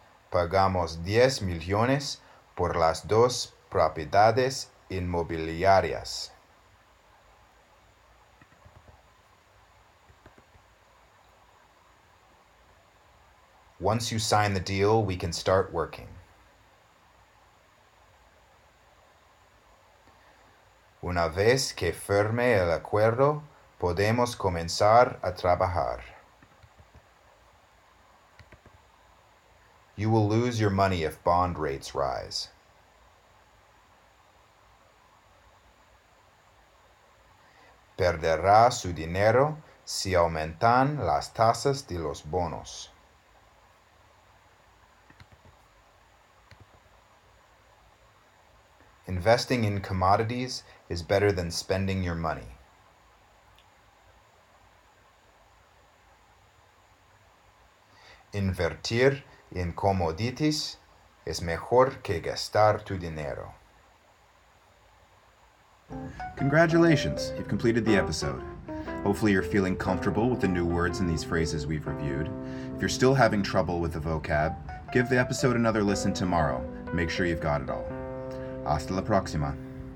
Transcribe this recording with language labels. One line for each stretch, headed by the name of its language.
Spanish: Pagamos 10 millones por las dos propiedades inmobiliarias.
English: Once you sign the deal, we can start working.
Spanish: Una vez que firme el acuerdo, podemos comenzar a trabajar.
English: You will lose your money if bond rates rise.
Spanish: Perderá su dinero si aumentan las tasas de los bonos.
English: Investing in commodities is better than spending your money.
Spanish: Invertir en commodities es mejor que gastar tu dinero.
English: Congratulations, you've completed the episode. Hopefully you're feeling comfortable with the new words and these phrases we've reviewed. If you're still having trouble with the vocab, give the episode another listen tomorrow. Make sure you've got it all.
Spanish: Hasta la próxima.